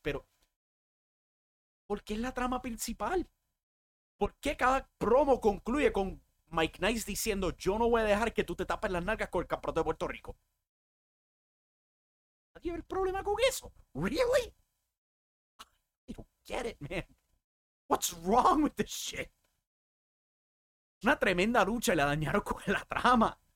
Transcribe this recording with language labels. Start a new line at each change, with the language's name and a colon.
Spanish: Pero ¿por qué es la trama principal? ¿Por qué cada promo concluye con Mike Nice diciendo, yo no voy a dejar que tú te tapes las nalgas con el campeonato de Puerto Rico? ¿Nadie ve el problema con eso?
English: ¿Really? I don't get it, man. What's wrong with this shit?
Spanish: Una tremenda lucha y la dañaron con la trama.